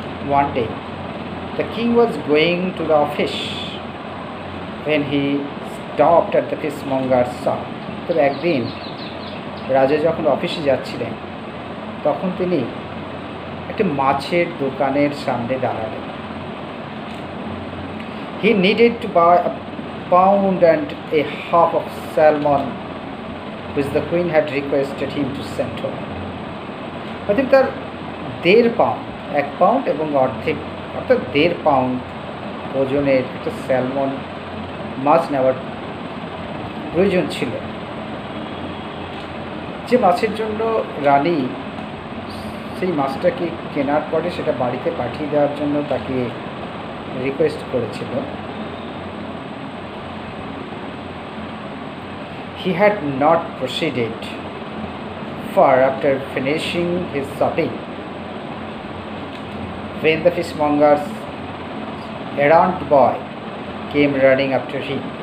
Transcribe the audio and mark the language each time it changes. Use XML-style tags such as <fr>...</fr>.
<en>One day the king was going to the office when he stopped at the fishmonger shop.</en> <bn>তবে একদিন রাজা যখন অফিসে যাচ্ছিলেন, তখন তিনি একটা মাছের দোকানের সামনে দাঁড়ালেন।</bn> <en>He needed to buy pound and a half of salmon which the queen had requested him to send home.</en> <bn>অর্থাৎ তার দেড় পাউন্ড, এক পাউন্ড এবং অর্ধেক, অর্থাৎ দেড় পাউন্ড ওজনের একটা স্যালমন মাছ নেওয়ার প্রয়োজন ছিল, যে মাছের জন্য রানী সেই মাছটাকে কেনার পরে সেটা বাড়িতে পাঠিয়ে দেওয়ার জন্য তাকে রিকোয়েস্ট করেছিল।</bn> <en>He had not proceeded far after finishing his shopping when the fishmonger's errand boy came running after him.</en>